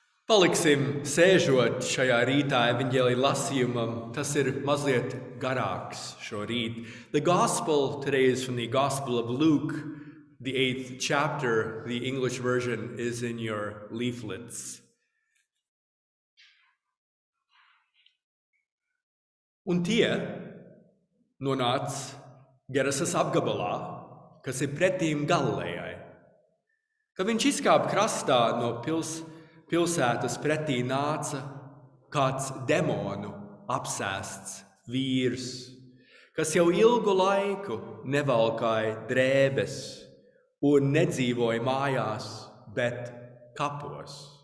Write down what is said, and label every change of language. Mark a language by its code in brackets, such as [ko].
[lv] Paliksim sēžot šajā rītā evaņģēlija lasījumam, tas ir mazliet garāks šorīt. [en] The gospel today is from the gospel of Luke, the 8th chapter, the English version is in your leaflets. [lv] Un tie nonāc Gerasas apgabalā, kas ir pretīm Galilejai. Kad viņš izkāp krastā no pilsētas pretī nāca kāds demonu apsēsts vīrs, kas jau ilgu laiku nevalkāja drēbes un nedzīvoja mājās, bet kapos.